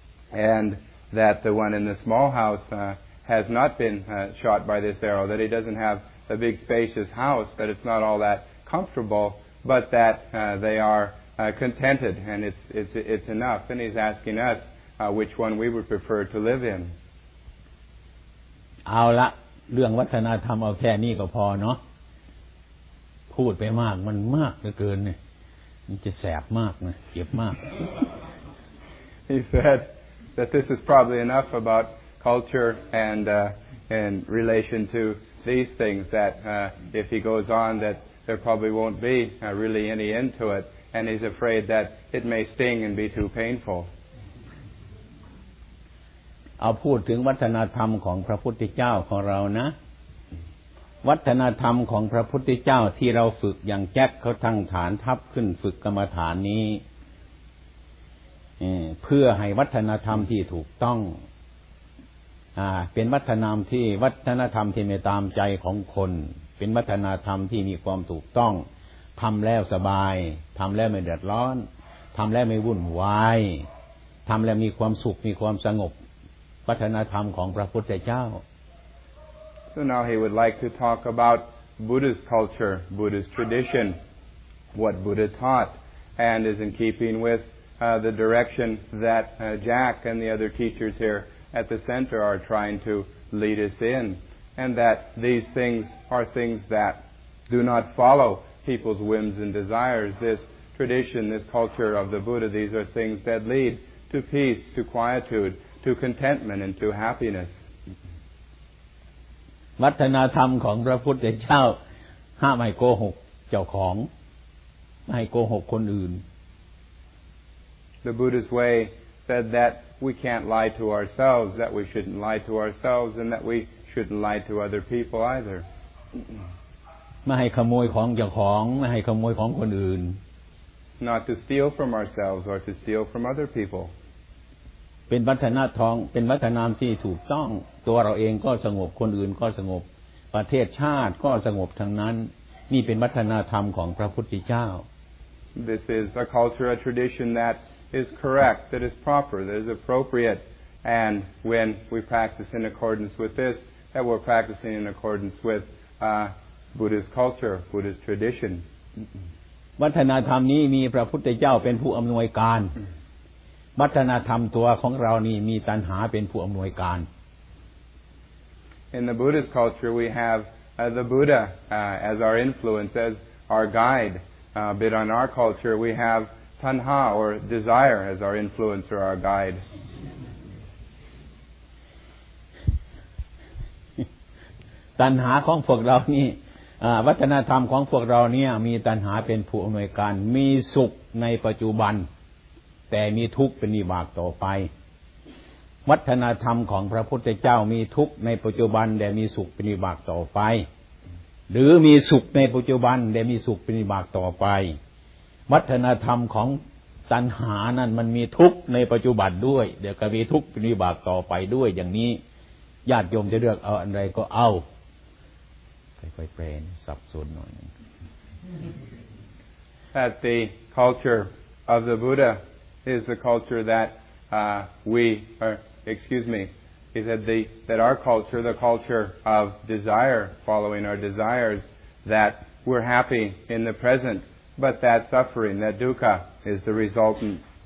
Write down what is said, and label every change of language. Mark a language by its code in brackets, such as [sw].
[en] And that the one in the small house has not been shot by this arrow, that he doesn't have a big spacious house, that it's not all that comfortable, but that they are contented and it's enough. And he's asking us which one we would prefer to live in. [th] เอาละเรื่องวัฒนธรรมเอาแค่นี้ก็พอเนาะพูดไปมากมันมากเหลือเกินเนี่ยมันจะแสบมากนะเจ็บมาก [en] He said that this is probably enough about culture and relation to these things that if he goes on that there probably won't be really any end to it and he's afraid that it may sting and be too painful [th] เอาพูดถึงวัฒนธรรมของพระพุทธเจ้าของเรานะวัฒนธรรมของพระพุทธเจ้าที่เราฝึกอย่างแจ็คเขาทั้งฐานทับขึ้นฝึกกรรมฐานนี้ เพื่อให้วัฒนธรรมที่ถูกต้องเป็นวัฒนธรรมที่ไม่ตามใจของคนเป็นวัฒนธรรมที่มีความถูกต้องทำแล้วสบายทำแล้วไม่เดือดร้อนทำแล้วไม่วุ่นวายทำแล้วมีความสุขมีความสงบวัฒนธรรมของพระพุทธเจ้า [en] So now he would like to talk about Buddhist culture, Buddhist tradition, what Buddha taught, and is in keeping with the direction that Jack and the other teachers here at the center are trying to lead us in, and that these things are things that do not follow people's whims and desires. This tradition, this culture of the Buddha, these are things that lead to peace, to quietude, to contentment, and to happiness. [th] วัฒนธรรมของพระพุทธเจ้าห้ามไม่โกหกเจ้าของไม่โกหกคนอื่น [en] The Buddha's way said that we can't lie to ourselves that we shouldn't lie to ourselves and that we shouldn't lie to other people either [th] ไม่ให้ขโมยของเจ้าของไม่ให้ขโมยของคนอื่น [en] Not to steal from ourselves or to steal from other people [th] เป็นวัฒนธรรมเป็นวัฒนธรรมที่ถูกต้องตัวเราเองก็สงบคนอื่นก็สงบประเทศชาติก็สงบทั้งนั้นนี่เป็นวัฒนธรรมของพระพุทธเจ้า [en] This is a culture a tradition that is correct that is proper that is appropriate and when we practice in accordance with this that we're practicing in accordance with Buddhist culture Buddhist tradition [th] วัฒนธรรมนี้มีพระพุทธเจ้าเป็นผู้อำนวยการวัฒนธรรมตัวของเรานี่มีตัณหาเป็นผู้อำนวยการ [en] In the Buddhist culture we have the Buddha as our influence as our guide but in our culture we have tanha or desire as our influence or our guide [th] ตัณหาของพวกเรานี่วัฒนธรรมของพวกเราเนี่ยมีตัณหาเป็นผู้อำนวยการมีสุขในปัจจุบันแต่มีทุกข์เป็นวิบากต่อไป วัฒนธรรมของพระพุทธเจ้ามีทุกข์ในปัจจุบันแต่มีสุขเป็นวิบากต่อไปหรือมีสุขในปัจจุบันแต่มีสุขเป็นวิบากต่อไปวัฒนธรรมของตัณหานั่นมันมีทุกข์ในปัจจุบันด้วยเดี๋ยวก็มีทุกข์เป็นวิบากต่อไปด้วยอย่างนี้ญาติโยมจะเลือกเอาอันใดก็เอาค่อยๆเปลี่ยนสับสนหน่อยนึง [en] That the culture of the Buddha is the culture that we are excuse me is that the that our culture the culture of desire following our desires that we're happy in the present but that suffering that dukkha is the resultant